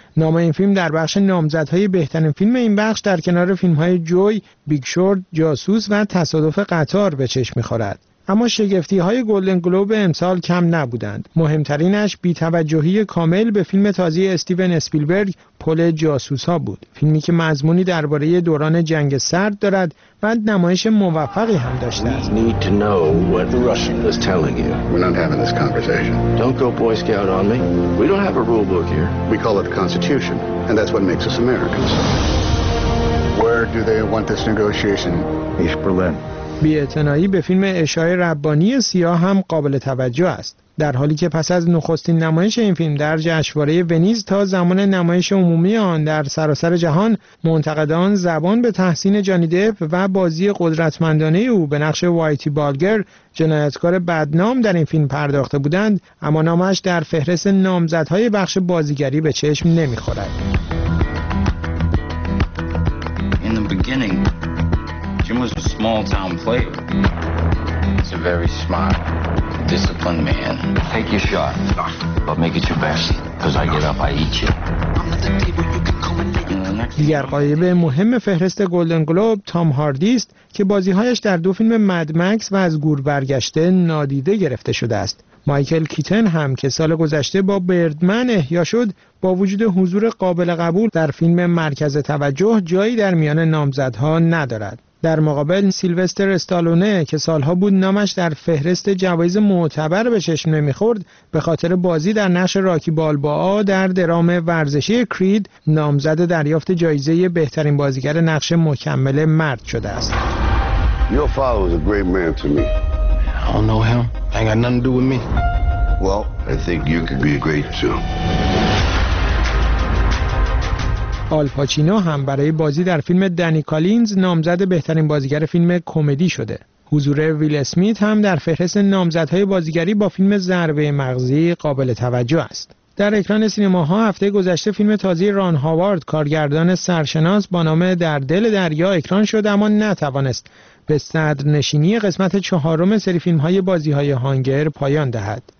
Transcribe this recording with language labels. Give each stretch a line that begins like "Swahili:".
Persian: نام این فیلم در بخش نامزدهای بهترین فیلم این بخش در کنار فیلم‌های جوی، بیگ شورت، جاسوس و تصادف قطار به چشم می‌خورد. اما شگفتی‌های گلدن گلوب امسال کم نبودند. مهمترینش بی‌توجهی کامل به فیلم تازه استیون اسپیلبرگ پل جاسوسا بود. فیلمی که مضمونی درباره دوران جنگ سرد دارد و نمایش موفقی هم داشته است.
English: We need to know what the Russian is telling you. We're not having this conversation. Don't go boy scout on me. We don't have a rule book here. We call it the Constitution, and that's what makes us Americans. Where do they want this negotiation? East Berlin.
Persian: بی‌اعتنایی به فیلم اشای ربانی سیاه هم قابل توجه است، در حالی که پس از نخستین نمایش این فیلم در جشنواره ونیز تا زمان نمایش عمومی آن در سراسر جهان، منتقدان زبان به تحسین جانی دپ و بازی قدرتمندانه او به نقش وایتی بالگر، جنایتکار بدنام در این فیلم پرداخته بودند، اما نامش در فهرست نامزدهای بخش بازیگری به چشم نمی‌خورد.
English: In the beginning, Jim was a small town player. He's a very smart, disciplined man. Take your shot, but make it your best, because I get up, I eat you.
Persian: دیگر غایب مهم فهرست گلدن گلوب تام هاردی است که بازیهایش در دو فیلم مد مکس و از گور برگشته نادیده گرفته شده است. مایکل کیتن هم که سال گذشته با بردمن احیا شد، با وجود حضور قابل قبول در فیلم مرکز توجه جایی در میان نامزدها ندارد. در مقابل سیلوستر استالونه که سالها بود نامش در فهرست جوایز معتبر به چشم نمی‌خورد، به خاطر بازی در نقش راکی بالبا در درام ورزشی کرید نامزد دریافت جایزه بهترین بازیگر نقش مکمل مرد شده است.
English: Your father was a great man to me. I don't know him. I ain't got nothing to do with me. Well, I think you could be great too.
Persian: آل پاچینو هم برای بازی در فیلم دنی کالینز نامزد بهترین بازیگر فیلم کمدی شده. حضور ویل اسمیت هم در فهرست نامزدهای بازیگری با فیلم ضربه مغزی قابل توجه است. در اکران سینماها هفته گذشته فیلم تازه ران هاوارد کارگردان سرشناس با نام در دل دریا اکران شد، اما نتوانست به صدر نشینی قسمت چهارم سری فیلم‌های بازی‌های هانگر پایان دهد.